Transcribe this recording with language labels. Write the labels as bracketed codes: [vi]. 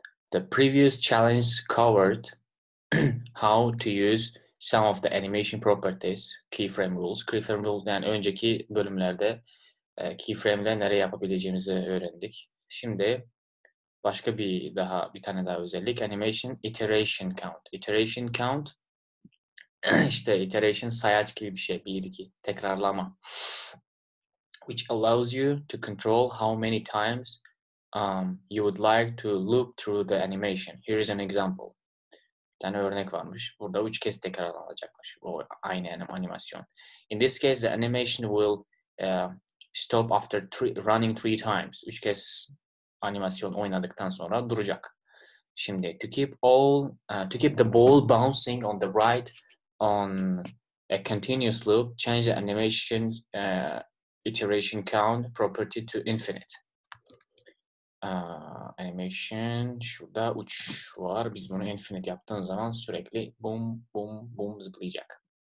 [en] The previous challenge covered how to use some of the animation properties, keyframe rules. [tr] Keyframe rules, yani önceki bölümlerde keyframe'le nereye yapabileceğimizi öğrendik. Şimdi başka bir tane daha özellik, animation iteration count. Iteration count işte iteration sayaç gibi bir şey, 1-2 tekrarlama. [en] Which allows you to control how many times you would like to loop through the animation. Here is an example. [tr] Bir tane örnek varmış. Burada 3 kez tekrarlanacakmış. O aynı animasyon. [en] In this case, the animation will stop after running 3 times. [tr] 3 kez animasyon oynadıktan sonra duracak. Şimdi, [en] to keep the ball bouncing on the right on a continuous loop, change the animation iteration count property to infinite. [tr] Animation şurada uç var. Biz bunu infinite yaptığın zaman sürekli bum bum bum zıplayacak.